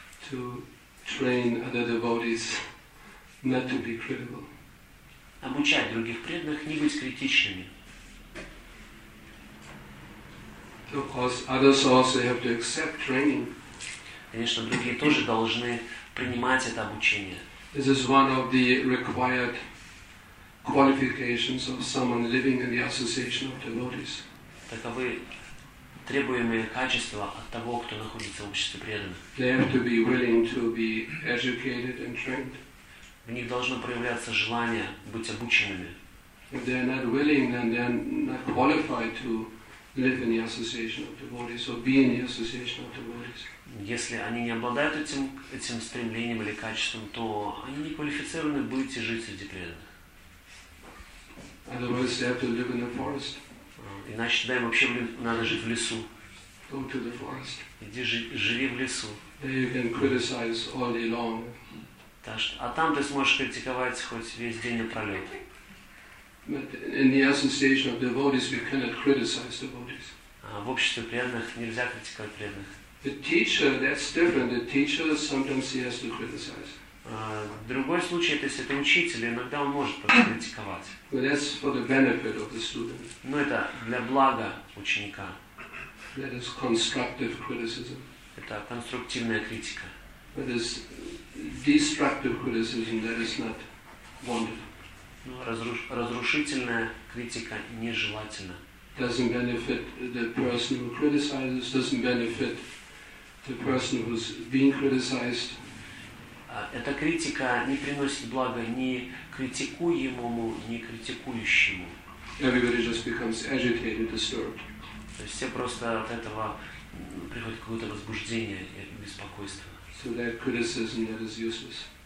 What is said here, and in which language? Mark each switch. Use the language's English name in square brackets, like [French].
[English] To train other devotees not to be critical. [Russian] Обучать других преданных не быть критичными. [English] Of course, others also have to accept training. [Russian] Конечно, другие тоже должны принимать это обучение. [English] This is one of the required qualifications of someone living in the association of devotees. [Russian] Таковы требуемые качества от того, кто находится в обществе преданных. [English] They have to be willing to be educated and trained. [Russian] В них должно проявляться желание быть обученными. [English] If they are not willing, then they are not qualified to live in the association of devotees or be in the association of devotees. [Russian] Если они не обладают этим стремлением или качеством, то они не квалифицированы быть и жить среди преданных. [English] Otherwise, they have to live in the forest. [Russian] Иначе, да, им вообще надо жить в лесу. [English] Go to the forest. [Russian] Иди живи в лесу. [English] There you can criticize all day long. [Russian] А там ты сможешь критиковать хоть весь день напролет. [English] But in the association of devotees, we cannot criticize devotees. [Russian] В обществе преданных нельзя критиковать преданных. [English] The teacher, that's different. The teacher sometimes he has to criticize. [Russian] Другой случай, это если это учитель, иногда он может покритиковать. [English] But that's for the benefit of the student. [Russian] Но это для блага ученика. [English] That is constructive criticism. [Russian] Это конструктивная критика. [English] But it's destructive criticism that is not wanted. [Russian] Ну, разрушительная критика нежелательна. [English] Doesn't benefit the person who criticizes, doesn't benefit the person who's being criticized. [Russian] Эта критика не приносит блага ни критикуемому, ни критикующему. [English] Everybody just becomes agitated, disturbed. [Russian] То есть все просто от этого приходит какое-то возбуждение и беспокойство. [English] So that criticism that is useless.